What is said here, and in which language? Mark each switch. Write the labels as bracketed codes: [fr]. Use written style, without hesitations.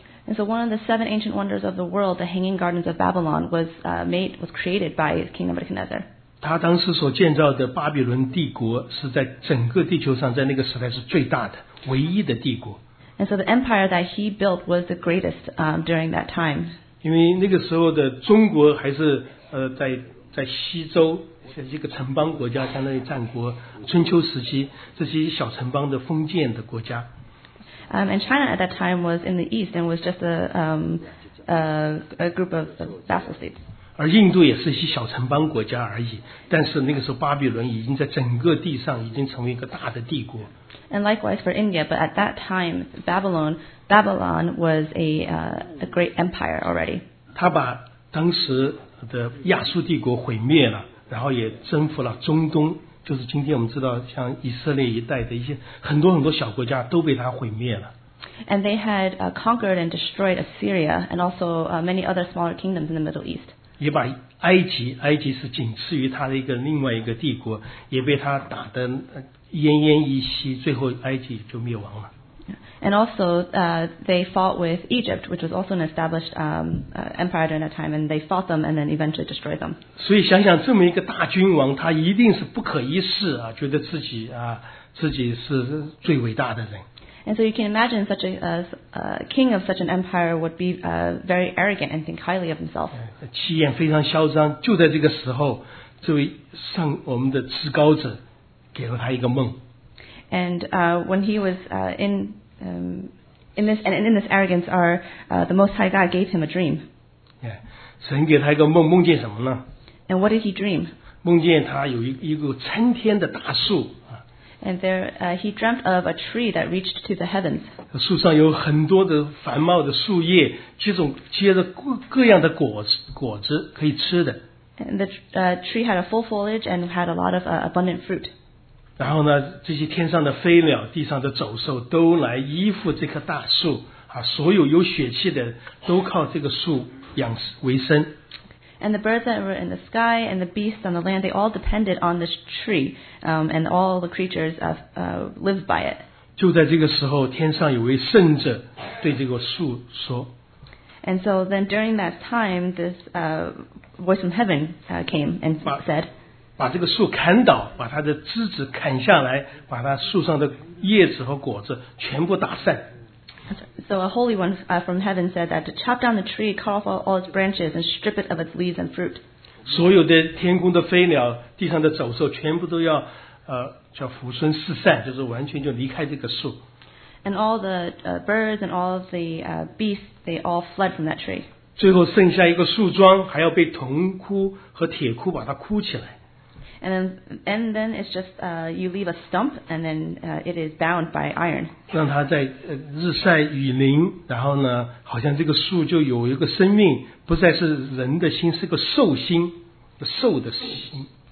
[en] And so one of the seven ancient wonders of the world, the Hanging Gardens of Babylon, was created by King Nebuchadnezzar. [zh] 他当时所建造的巴比伦帝国是在整个地球上在那个时代是最大的唯一的帝国。 [en] And so the empire that he built was the greatest during that time. [zh] 因为那个时候的中国还是在西周是一个城邦国家，相当于战国春秋时期这些小城邦的封建的国家。 [en] And China at that time was in the east and was just a group of vassal states. [zh] 而印度也是一些小城邦国家而已，但是那个时候巴比伦已经在整个地上已经成为一个大的帝国。 [en] And likewise for India, but at that time, Babylon was a great empire already. [zh] 他把当时的亚述帝国毁灭了，然后也征服了中东，就是今天我们知道像以色列一带的一些很多很多小国家都被他毁灭了。 [en] And they had conquered and destroyed Assyria and also many other smaller kingdoms in the Middle East. [zh] 也把埃及是仅次于他的一个另外一个帝国，也被他打得奄奄一息，最后埃及就灭亡了。 [en] And also, they fought with Egypt, which was also an established empire during that time, and they fought them and then eventually destroyed them. [zh] 所以想想这么一个大君王，他一定是不可一世啊，觉得自己是最伟大的人。 [en] And so you can imagine such a king of such an empire would be very arrogant and think highly of himself. [zh] 气焰非常嚣张。就在这个时候，这位上我们的至高者给了他一个梦。 [en] And when he was in this arrogance, the Most High God gave him a dream. [zh] Yeah, 神给他一个梦，梦见什么呢 [en] ？And what did he dream? [zh] 梦见他有一个撑天的大树。 [en] And there, he dreamt of a tree that reached to the heavens. [zh] 树上有很多的繁茂的树叶，这种结着各样的果子可以吃的。 [en] And the tree had a full foliage and had a lot of abundant fruit. [zh] 然后呢，这些天上的飞鸟、地上的走兽都来依附这棵大树啊，所有有血气的都靠这个树养为生。 [en] And the birds that were in the sky and the beasts on the land, they all depended on this tree, and all the creatures lived by it. [zh] 就在这个时候，天上有位圣者对这个树说。 [en] And so then during that time, this voice from heaven came and said. [zh] 把这个树砍倒，把它的枝子砍下来，把它树上的叶子和果子全部打散。 [en] So a holy one from heaven said that to chop down the tree, cut off all its branches, and strip it of its leaves and fruit. [zh] 所有的天空的飞鸟、地上的走兽，全部都要叫抚孙四散，就是完全就离开这个树。 [en] And all the birds and all the beasts, they all fled from that tree. [zh] 最后剩下一个树桩，还要被铜箍和铁箍把它箍起来。 [en] And then it's just you leave a stump and then it is bound by iron. [zh] 让它在日晒雨淋，然后呢，好像这个树就有一个生命，不再是人的心，是个兽心，兽的心。